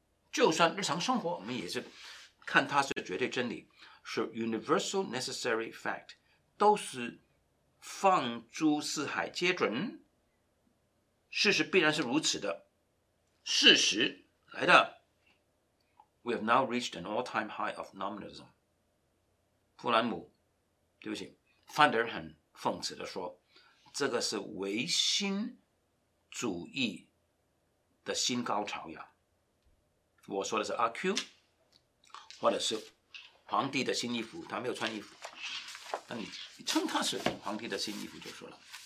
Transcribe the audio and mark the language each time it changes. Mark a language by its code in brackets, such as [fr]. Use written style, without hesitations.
[zh] 就算日常生活，我们也是看它是绝对真理，是 [en] universal necessary fact， [zh] 都是放诸四海皆准，事实必然是如此的。事实来的。 [en] We have now reached an all-time high of nominalism. [zh] 弗兰姆，对不起，范德尔很讽刺地说，这个是唯心主义的新高潮呀。我说的是 RQ， 或者是皇帝的新衣服，他没有穿衣服，那你称他是皇帝的新衣服就说了。